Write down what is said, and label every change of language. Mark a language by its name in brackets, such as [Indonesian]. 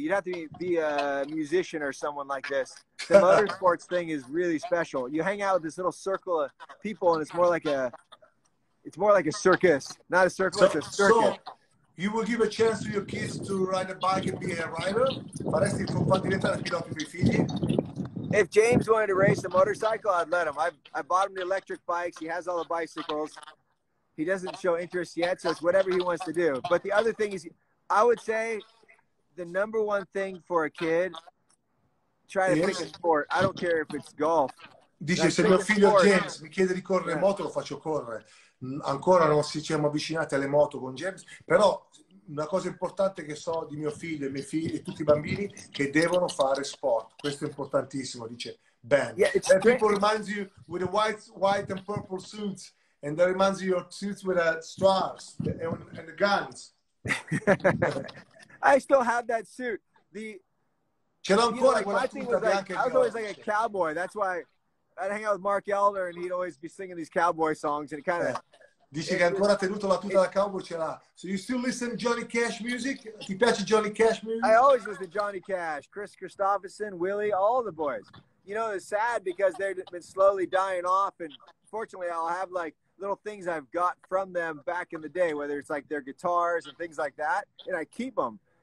[English] You'd have to be a musician or someone like this. The motorsports thing is really special. You hang out with this little circle of people and it's more like a circus. Not a circle, it's a circus. So. You will give a chance to your kids to ride a bike and be a rider? [Italian] Faresti un po' diventare pilota per i figli? [English] If James wanted to race a motorcycle, I'd let him. I bought him the electric bikes. He has all the bicycles. He doesn't show interest yet, so it's whatever he wants to do. But the other thing is, I would say the number one thing for a kid, try to pick a sport. I don't care if it's golf. [Italian] Dice, se mio figlio James mi chiede di correre moto, lo faccio correre. Ancora non ci siamo avvicinati alle moto con James, però una cosa importante che so di mio figlio e miei figli e tutti i bambini che devono fare sport. Questo è importantissimo, dice Ben. [English] Yeah, and people reminds you with the white and purple suits, and that reminds you your suits with the stars and the guns. I still have that suit. [Italian] Ce l'ho ancora, [English] you know, like, [Italian] quella tuta bianca. [English] Like, I was always like a cowboy, that's why. I'd hang out with Mark Elder and he'd always be singing these cowboy songs and kind of [Italian] dice che ancora tenuto la tuta da cowboy ce l'ha. [English] So you still listen to Johnny Cash music? [Italian] Ti piace Johnny Cash music? [English] I always listen to Johnny Cash, Kris Kristofferson, Willie, all the boys. You know, it's sad because they've been slowly dying off, and fortunately I'll have like little things I've got from them back in the day, whether it's like their guitars and things like that, and I keep them.